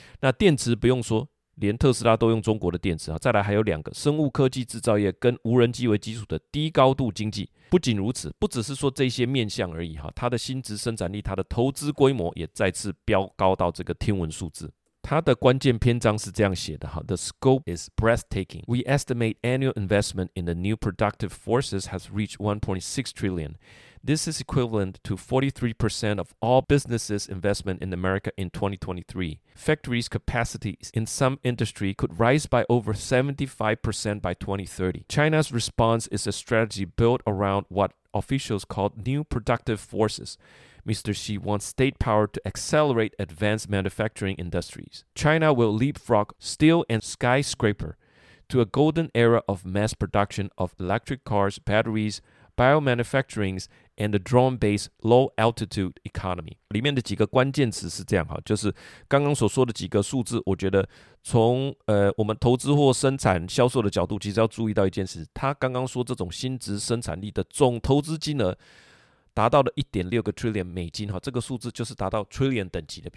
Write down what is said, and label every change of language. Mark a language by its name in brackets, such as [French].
[Chinese] 那电池不用说，连特斯拉都用中国的电池，再来还有两个，生物科技制造业跟无人机为基础的低高度经济。不仅如此，不只是说这些面向而已，它的薪资生产力，它的投资规模也再次飙高到这个天文数字。它的关键篇章是这样写的， [English] The scope is breathtaking. We estimate annual investment in the new productive forces has reached 1.6 trillion. This is equivalent to 43% of all businesses investment in America in 2023. Factories' capacities in some industry could rise by over 75% by 2030. China's response is a strategy built around what officials call new productive forces. Mr. Xi wants state power to accelerate advanced manufacturing industries. China will leapfrog steel and skyscraper to a golden era of mass production of electric cars, batteries, biomanufacturing, and the drone-based low-altitude economy. [Chinese] 里面的几个关键词是这样，就是刚刚所说的几个数字，我觉得从我们投资或生产销售的角度，其实要注意到一件事，他刚刚说这种新质生产力的总投资金额达到了 1.6 个 trillion 美金，这个数字就是达到 trillion 等级的。